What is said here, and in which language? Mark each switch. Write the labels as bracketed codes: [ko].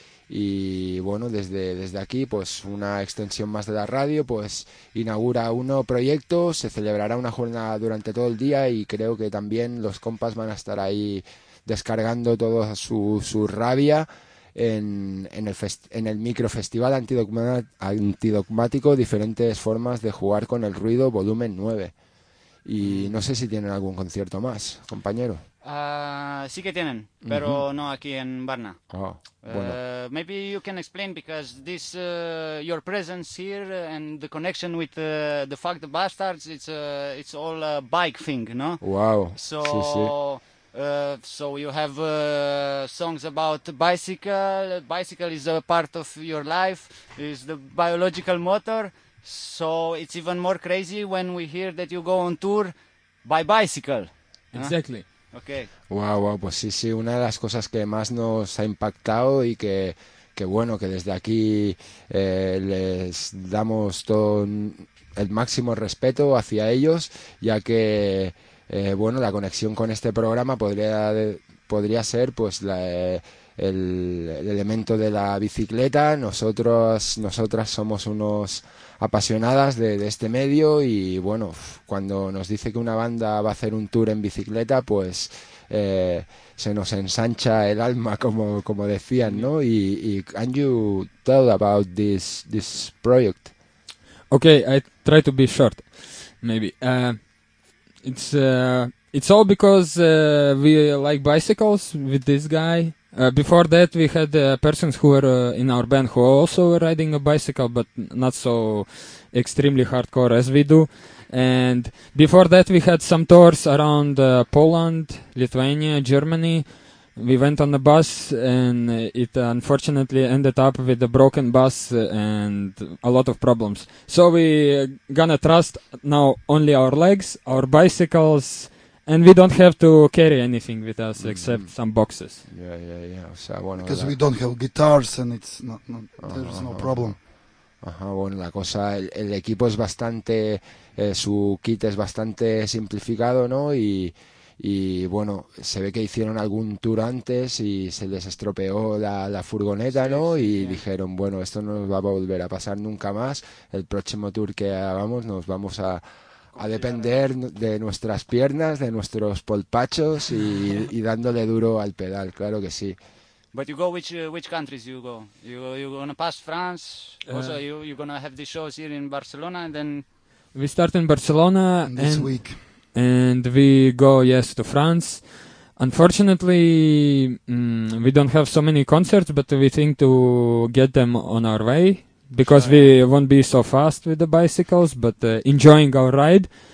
[es] y bueno, desde aquí, pues, una extensión más de la radio, pues, inaugura un nuevo proyecto, se celebrará una jornada durante todo el día y creo que también los compas van a estar ahí descargando toda su rabia en el microfestival antidogmático, diferentes formas de jugar con el ruido, volumen 9. Y no sé si tienen algún concierto más, compañero. Sí que tienen, pero no aquí en Varna. Oh, bueno. [en] Maybe you can explain, because this your presence here and the connection with the Fuck the Bastards, it's all a bike thing, no? Wow, so, [es] sí, sí. [en] So you have songs about bicycle is a part of your life, is the biological motor, so it's even more crazy when we hear that you go on tour by bicycle. Exactly. Okay. [es] Wow, pues sí, una de las cosas que más nos ha impactado y que bueno, que desde aquí les damos todo el máximo respeto hacia ellos, ya que bueno, la conexión con este programa podría ser pues el elemento de la bicicleta. Nosotras somos unos apasionadas de este medio y bueno, cuando nos dice que una banda va a hacer un tour en bicicleta, pues se nos ensancha el alma, como decían, ¿no? [en] Y can you tell about this project? Okay, I try to be short, maybe. It's It's all because we like bicycles with this guy. Before that, we had persons who were in our band who also were riding a bicycle, but not so extremely hardcore as we do. And before that, we had some tours around Poland, Lithuania, Germany. We went on the bus, and it unfortunately ended up with a broken bus and a lot of problems. So we gonna trust now only our legs, our bicycles, and we don't have to carry anything with us except some boxes. Yeah. Because we don't have guitars, and it's not there's no problem. [es] Bueno, la cosa, el equipo es bastante, su kit es bastante simplificado, ¿no? Y bueno, se ve que hicieron algún tour antes y se les estropeó la furgoneta, ¿no? Dijeron, bueno, esto no nos va a volver a pasar nunca más. El próximo tour que hagamos nos vamos a depender de nuestras piernas, de nuestros polpachos y dándole duro al pedal, claro que sí. [en] But you go which countries you go? You're gonna pass France. Also, you're gonna have the shows here in Barcelona, and then we start in Barcelona this week, and we go to France. Unfortunately, we don't have so many concerts, but we think to get them on our way because we won't be so fast with the bicycles, but enjoying our ride.